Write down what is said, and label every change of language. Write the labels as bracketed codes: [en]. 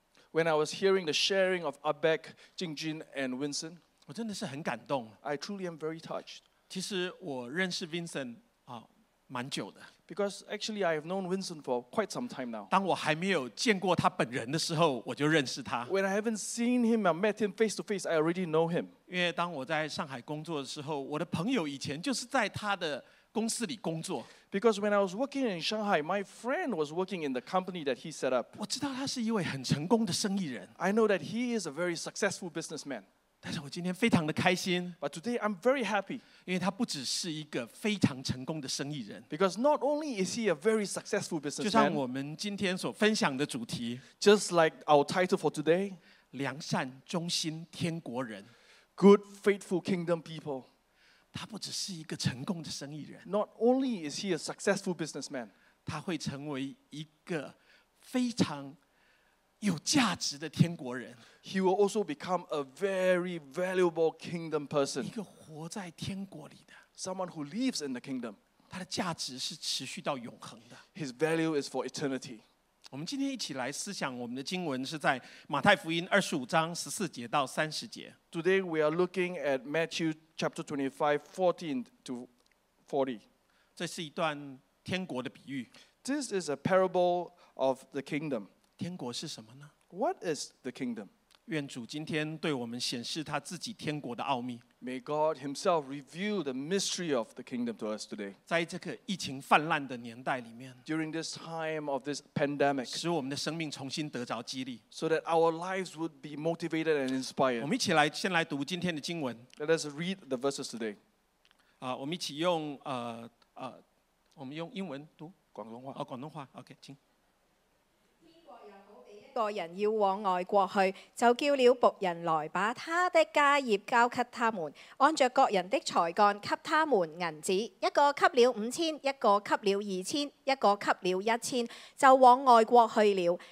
[en] ，When I was hearing the sharing of 阿Beck金军 and Vincent， [zh] 我真的是很感动。 [en] I truly am very touched。 [zh] 其实我认识 Vincent 蛮久的。 [en] Because actually I have known Vincent for quite some time now. [zh] 当我还没有见过他本人的时候，我就认识他。 [en] When I haven't seen him or met him face to face, I already know him. [zh] 因为当我在上海工作的时候，我的朋友以前就是在他的公司里工作。 [en] Because when I was working in Shanghai, my friend was working in the company that he set up. [zh] 我知道他是一位很成功的生意人。 [en] I know that he is a very successful businessman. [zh] 但是我今天非常的开心 [en] But today I'm very happy. [zh] 因为他不只是一个非常成功的生意人 [en] Because not only is he a very successful businessman. [zh] 就像我们今天所分享的主题 [en] Just like our title for today. [zh] 良善忠心天国人 [en] Good faithful kingdom people. [zh] 他不只是一个成功的生意人 [en] Not only is he a successful businessman. [zh] 他会成为一个非常有价值的天国人 [en] He will also become a very valuable kingdom person. [zh] 一个活在天国里的 [en] Someone who lives in the kingdom. [zh] 他的价值是持续到永恒的 [en] His value is for eternity. [zh] 我们今天一起来思想我们的经文是在马太福音25:14-30. [en] Today we are looking at Matthew chapter 25:14-40. [zh] 这是一段天国的比喻 [en] This is a parable of the kingdom. [zh] 天国是什么呢？ [en] What is the kingdom? [zh] 愿主今天对我们显示他自己天国的奥秘。 [en] May God himself reveal the mystery of the kingdom to us today. [zh] 在这个疫情泛滥的年代里面， [en] During this time of this pandemic, [zh] 使我们的生命重新得着激励， [en] so that our lives would be motivated and inspired. [zh] 我们一起来先来读今天的经文。 [en] Let us read the verses today. [zh] 我们一起用我们用英文读广东话。广东话 ，OK， 请。个人要往外国去，就叫了仆人来，把他的家业交给他们，按着各人的才干给他们银子，一个给了五千，一个给了二千，一个给了一千，就往外国去了。